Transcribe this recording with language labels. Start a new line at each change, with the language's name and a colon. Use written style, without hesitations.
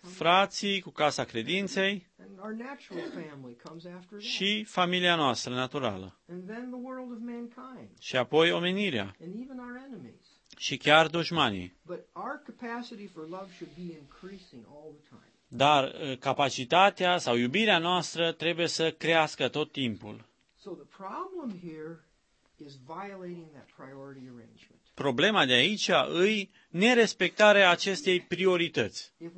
Romanian: Frații cu casa credinței.
English: And our natural family comes after that.
Romanian: Și familia noastră naturală.
English: And then the world of mankind.
Romanian: Și apoi omenirea.
English: And even our enemies.
Romanian: și chiar dușmanii.
English: But our capacity for love should be increasing all the time.
Romanian: Dar capacitatea sau iubirea noastră trebuie să crească tot timpul.
English: So the problem here is violating that priority arrangement.
Romanian: Problema de aici îi nerespectarea acestei priorități.